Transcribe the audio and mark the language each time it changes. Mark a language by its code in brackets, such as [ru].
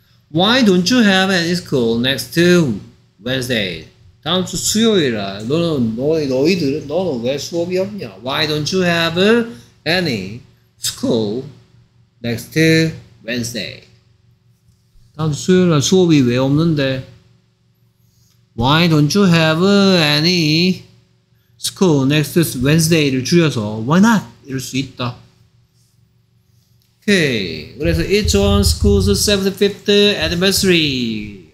[en] Why don't you have any school next Wednesday? [ko] 다음 주 수요일에 너는 왜 수업이 없냐? [en] Why don't you have any school next Wednesday? [ko] 다음 주 수요일에 수업이 왜 없는데? [en] Why don't you have any school next Wednesday를 줄여서 why not [ko] 이럴 수 있다. [en] 오케이. [ko] 그래서 [en] It's on school's 75th anniversary.